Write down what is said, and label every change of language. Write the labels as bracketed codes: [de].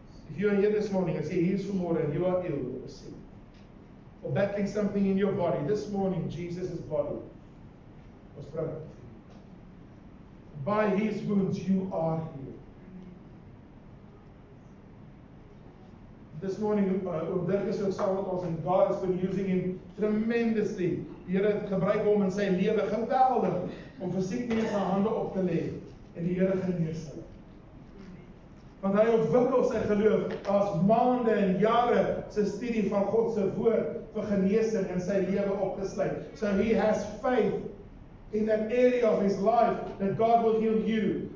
[en] If you are here this morning and say, here's for more, and you are ill or sick, or battling something in your body, this morning Jesus' body was broken for you. By His wounds, you are healed. This morning, Dirk [af] is ook saam met ons, [en] and God has been using him tremendously. [af] Die Here gebruik hom in sy lewe geweldig om vir siek mense sy hande op te lê en die Here genees hulle. Want hy ontwikkel sy geloof as maande en jare sy studie van God se woord vir genesing in sy lewe opgesluit. [en] So he has faith in that area of his life that God will heal you.